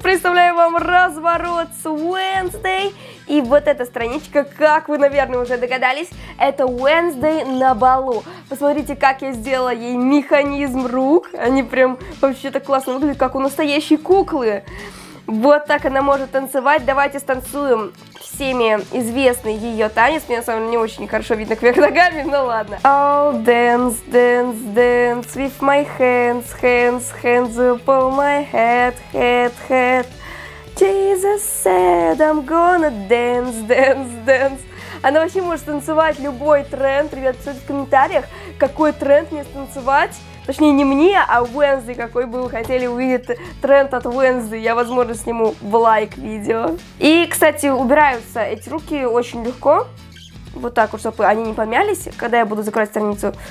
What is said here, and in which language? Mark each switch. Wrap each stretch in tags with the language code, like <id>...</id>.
<ru>Представляю вам разворот с Wednesday. И вот эта страничка, как вы, наверное, уже догадались, это Wednesday на балу. Посмотрите, как я сделала ей механизм рук. Они прям вообще так классно выглядят, как у настоящей куклы. Вот так она может танцевать. Давайте станцуем всеми известный ее танец. Мне, на самом деле, не очень хорошо видно кверх ногами, но ладно.</ru> <en>I'll dance, dance, dance with my hands, hands, hands upon my head, head, head. Jesus said, I'm gonna dance, dance, dance.</en> <ru>Она вообще может танцевать любой тренд. Ребят, пишите в комментариях, какой тренд мне станцевать. Точнее, не мне, а Wednesday. Какой бы вы хотели увидеть тренд от Wednesday, я, возможно, сниму в лайк видео. И, кстати, убираются эти руки очень легко. Вот так вот, чтобы они не помялись, когда я буду закрывать страницу.</ru>